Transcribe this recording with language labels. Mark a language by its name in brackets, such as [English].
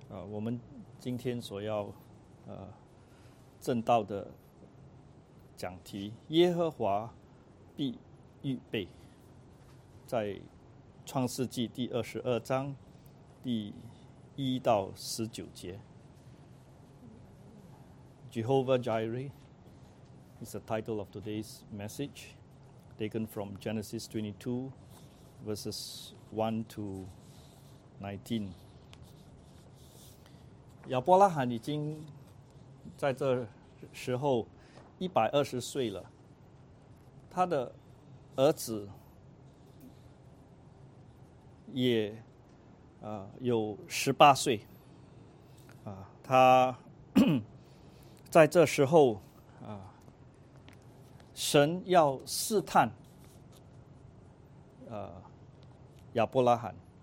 [Chinese] 我们今天所要正道的讲题，耶和华必预备，在创世纪第22章第1到19节。 [English] Jehovah Jireh is the title of today's message, taken from Genesis 22, verses 1 to 19. [Chinese] 亚伯拉罕已经在这时候120岁了，他的儿子也有18岁他在这时候神要试探亚伯拉罕，